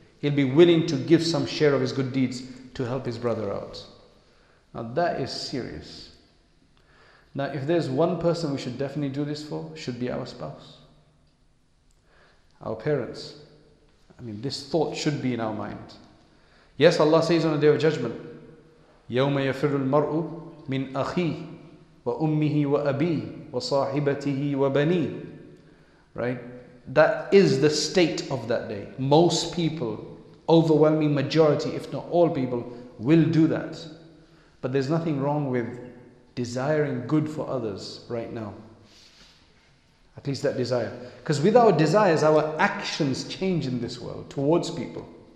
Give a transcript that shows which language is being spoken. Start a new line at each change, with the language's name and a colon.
English: He'll be willing to give some share of his good deeds to help his brother out. Now that is serious. Now if there's one person we should definitely do this for, should be our spouse. Our parents. I mean, this thought should be in our mind. Yes, Allah says on the Day of Judgment,
Arabic: يَوْمَ يَفِرُّ الْمَرْءُ مِنْ أَخِيهِ وَأُمِّهِ وَأَبِيهِ وَصَاحِبَتِهِ وَبَنِيهِ.
English: Right? That is the state of that day. Most people, overwhelming majority, if not all people, will do that. But there's nothing wrong with desiring good for others right now. At least that desire. Because with our desires, our actions change in this world towards people.